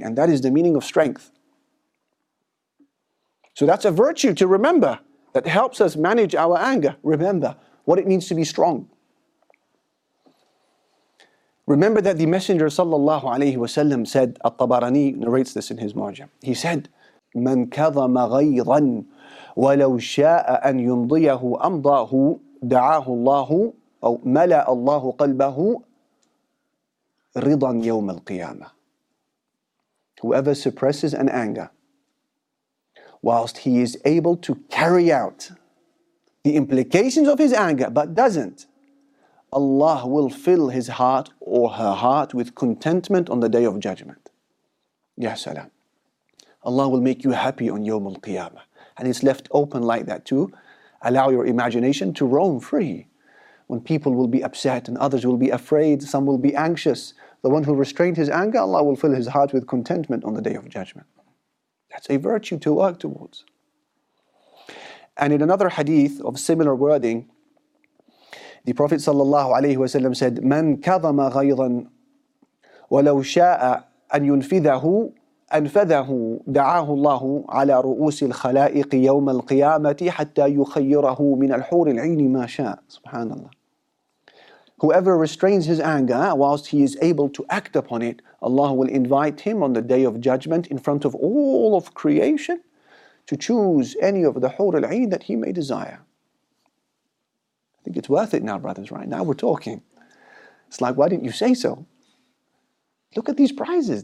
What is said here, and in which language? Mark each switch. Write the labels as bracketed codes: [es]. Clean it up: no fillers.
[en] And that is the meaning of strength. So that's a virtue to remember that helps us manage our anger. Remember what it means to be strong. Remember that the Messenger sallallahu alayhi wasallam said, At-Tabarani narrates this in his Marjam. [ar] He said, مَنْ كَظَمَ غَيْظًا وَلَوْ شَاءَ أَنْ يُنْضِيَهُ أَمْضَاهُ دَعَاهُ اللَّهُ أو ملأ الله قلبه رضا يوم القيامة. [en] Whoever suppresses an anger whilst he is able to carry out the implications of his anger but doesn't, Allah will fill his heart or her heart with contentment on the day of judgment. Ya salam. Allah will make you happy on [ar] يوم القيامة. [en] And it's left open like that too. Allow your imagination to roam free. When people will be upset and others will be afraid, some will be anxious. The one who restrained his anger, Allah will fill his heart with contentment on the day of judgment. That's a virtue to work towards. [ar] And in another hadith of similar wording, the Prophet sallallahu alayhi wasallam said, مَنْ كَظَمَ غَيْظًا وَلَوْ شَاءَ أَنْ يُنْفِذَهُ أَنْفَذَهُ دَعَاهُ اللَّهُ عَلَى رُؤُوسِ الْخَلَائِقِ يَوْمَ الْقِيَامَةِ حَتَّى يُخَيِّرَهُ مِنَ الْحُورِ الْعِينِ مَا شَاءَ. Subhanallah. [en] Whoever restrains his anger whilst he is able to act upon it, Allah will invite him on the day of judgment in front of all of creation to choose any of the حُورِ الْعِينِ that he may desire. I think it's worth it now, brothers, right? Now we're talking. It's like, why didn't you say so? Look at these prizes.